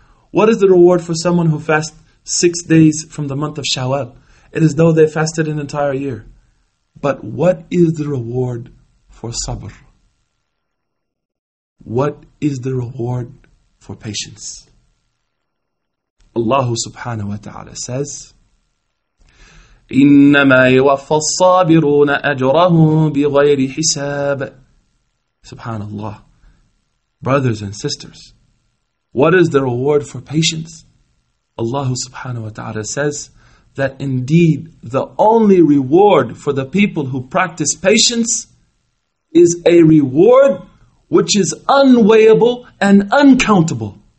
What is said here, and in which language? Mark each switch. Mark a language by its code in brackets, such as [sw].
[en] What is the reward for someone who fasts 6 days from the month of Shawwal? It is though they fasted an entire year. But what is the reward for sabr? What is the reward for patience? Allah subhanahu wa ta'ala says, [ar] إِنَّمَا يُوَفَّى الصَّابِرُونَ أَجْرَهُمْ بِغَيْرِ حِسَابٍ. [en] SubhanAllah. Brothers and sisters, what is the reward for patience? Allah subhanahu wa ta'ala says that indeed the only reward for the people who practice patience is a reward which is unweighable and uncountable.